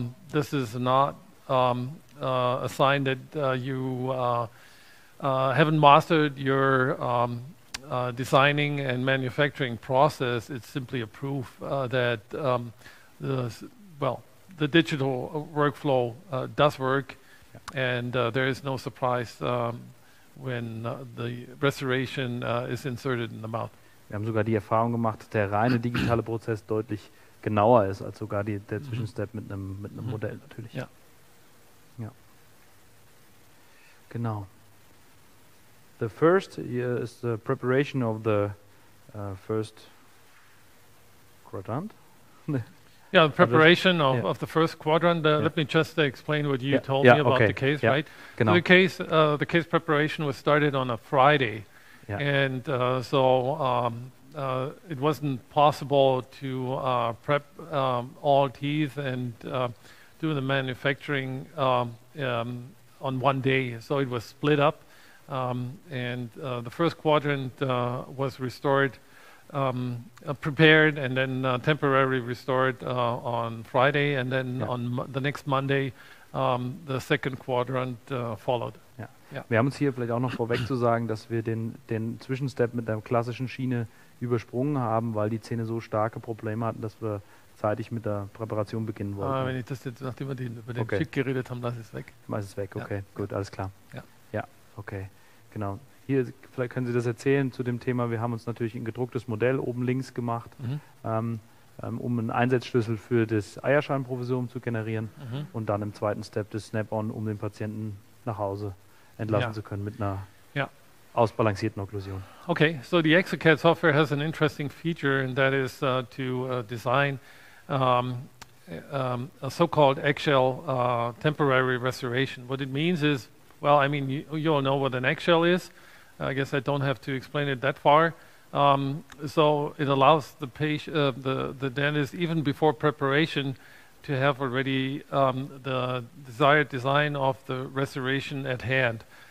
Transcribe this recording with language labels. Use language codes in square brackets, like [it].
[en] This is not a sign that you haven't mastered your designing and manufacturing process. It's simply a proof that the digital workflow does work, and there is no surprise. When the restoration is inserted in the mouth. [de] Wir haben sogar die Erfahrung gemacht, dass der reine digitale Prozess deutlich genauer ist als sogar der Zwischenstep mit einem Modell natürlich. Ja. Genau. [en] The first is the preparation of the first quadrant. Yeah, the preparation of the first quadrant. Let me just explain what you told me about the case, right? [de] Genau. [en] So the case preparation was started on a Friday. Yeah. And so it wasn't possible to prep all teeth and do the manufacturing on one day. So it was split up. The first quadrant was restored. Prepared and then temporarily restored on Friday, and then on the next Monday, the second quadrant followed. [de] Ja. Ja. Wir haben uns hier vielleicht auch noch vorweg zu sagen, dass wir den Zwischenstep mit der klassischen Schiene übersprungen haben, weil die Zähne so starke Probleme hatten, dass wir zeitig mit der Präparation beginnen wollten. Wenn ich das jetzt, nachdem wir über den Chip geredet haben, lass es weg. Lass es weg, okay, gut, alles klar. Ja, okay, genau. Hier, vielleicht können Sie das erzählen zu dem Thema. Wir haben uns natürlich ein gedrucktes Modell oben links gemacht, um einen Einsatzschlüssel für das Eierschalenprovisorium zu generieren und dann im zweiten Step das Snap-on, um den Patienten nach Hause entlassen zu können mit einer ausbalancierten Okklusion. [en] Okay, so the Exocad software has an interesting feature, and that is to design a so-called eggshell temporary restoration. What it means is, well, I mean, you all know what an eggshell is. I guess I don't have to explain it that far. So it allows the patient, the dentist, even before preparation, to have already the desired design of the restoration at hand.